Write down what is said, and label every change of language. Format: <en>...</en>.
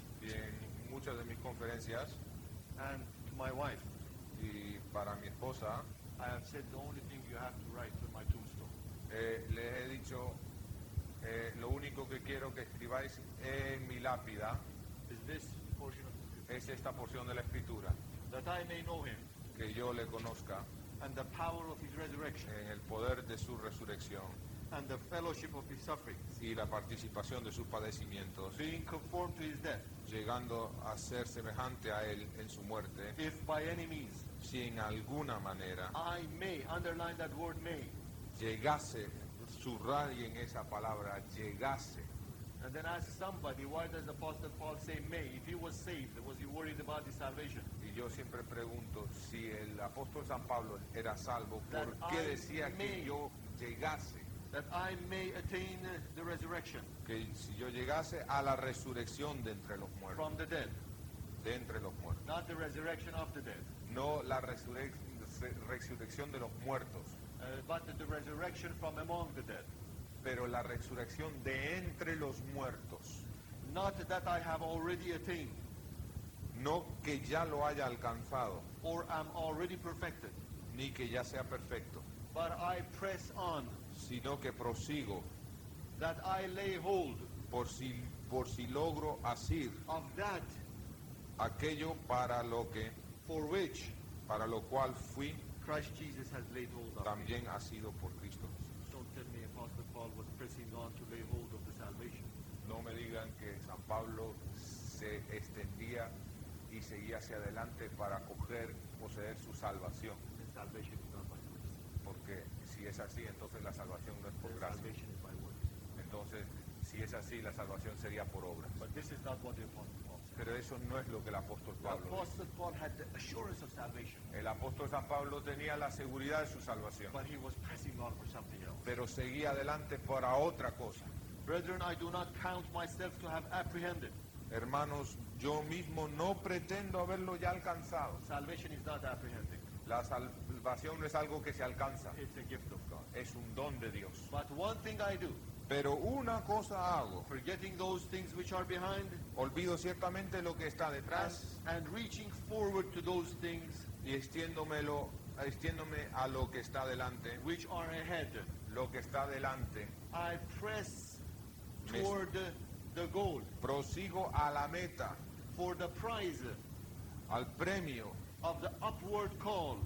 <es>Y en muchas de mis conferencias.</es> <en>And to my wife.</en> <es>Y para mi esposa,</es> <en>I have said the only thing you have to write on my tombstone.</en> <es>Le he dicho lo único que quiero que escribáis en mi lápida</es> <en>is this portion of the</en> <es>es esta porción de la escritura.</es> <en>that I may know him,</en> <es>que yo le conozca,</es> <en>and the power of his resurrection,</en> <es>en el poder de su resurrección,</es> <en>and the fellowship of his sufferings,</en> <es>y la participación de sus padecimientos,</es> <en>being conformed to his death,</en> <es>llegando a ser semejante a él en su muerte,</es> <en>if by any means,</en> <es>si en alguna manera,</es> <en>I may, underline that word may,</en> <es>llegase, subraye en esa palabra, llegase.</es> <en>And then ask somebody, why does the apostle Paul say may? If he was saved, was he worried about his salvation?</en> <es>Y yo siempre pregunto, si el apóstol San Pablo era salvo, ¿por qué decía que yo llegase?</es> <en>That I may attain the resurrection.</en> <es>Que si yo llegase a la resurrección de entre los muertos.</es> <en>From the dead.</en> <es>De entre los muertos.</es> <en>Not the resurrection of the dead.</en> <es>No la resurrección de los muertos.</es> <en>But the resurrection from among the dead.</en> <es>Pero la resurrección de entre los muertos.</es> <en>Not that I have already attained.</en> <es>No que ya lo haya alcanzado.</es> <en>Or am already perfected.</en> <es>Ni que ya sea perfecto.</es> <en>But I press on.</en> <es>Sino que prosigo.</es> <en>That I lay hold.</en> <es>Por si logro asir.</es> <en>Of that.</en> <es>Aquello para lo que.</es> <en>For which.</en> <es>Para lo cual fui.</es> <en>Christ Jesus has laid hold of.</en> <es>También ha sido por Cristo.</es> <en>Don't tell me Apostle Paul was pressing on to lay hold of the salvation.</en> <es>No me digan que San Pablo se extendía y seguía hacia adelante para coger, poseer su salvación.</es> <en>The salvation is not by works.</en> <es>Porque si es así, entonces la salvación no es por gracia.</es> <en>The salvation is by works.</en> <es>Entonces, si es así, la salvación sería por obras.</es> <en>But this is not what the apostle Paul.</en> <es>Pero eso no es lo que el apóstol Pablo.</es> <en>Paul had the assurance of salvation.</en> <es>El apóstol San Pablo tenía la seguridad de su salvación.</es> <en>But he was pressing on for something else.</en> <es>Pero seguía adelante para otra cosa.</es> <en>Brethren, I do not count myself to have apprehended.</en> <es>Hermanos, yo mismo no pretendo haberlo ya alcanzado.</es> <en>Salvation is not apprehended.</en> <es>La salvación no es algo que se alcanza.</es> <en>It's a gift of God.</en> <es>Es un don de Dios.</es> <en>But one thing I do.</en> <es>Pero una cosa hago.</es> <en>Forgetting those things which are behind,</en> <es>olvido ciertamente lo que está detrás.</es> <en>And reaching forward to those things,</en> <es>y extiéndome a lo que está delante.</es> <en>Which are ahead,</en> <es>lo que está delante.</es> <en>I press toward the goal.</en> <es>Prosigo a la meta.</es> <en>For the prize,</en> <es>al premio.</es> <en>Of the upward call,</en>